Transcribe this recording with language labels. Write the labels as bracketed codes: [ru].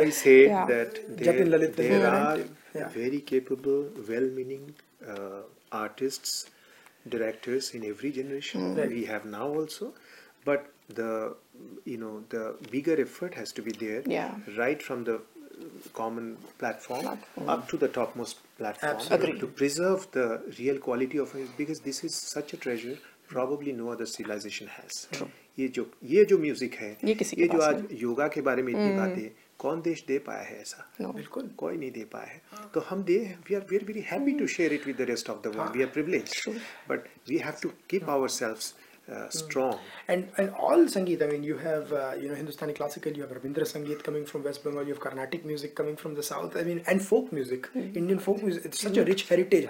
[en] I say that there are very capable, well-meaning artists, directors in every generation that we have now also, but the, you know, the bigger effort has to be there, yeah, right from the common platform. Up to the topmost platform. Absolutely. To preserve the real quality of it, because this is such a treasure probably no other civilization has. True. [hi] ये जो music है, ये जो आज yoga के बारे में इतनी बातें, कौन देश दे पाया है ऐसा? बिल्कुल कोई नहीं दे पाया है. तो हम दे, [en] we are very happy to share it with the rest of the world. We are privileged. True. But we have to keep ourselves strong. And all Sangeet, I mean, you have, you know, Hindustani classical, you have Rabindra Sangeet coming from West Bengal, you have Carnatic music coming from the South, I mean, and folk music, Indian folk music, it's such a rich heritage.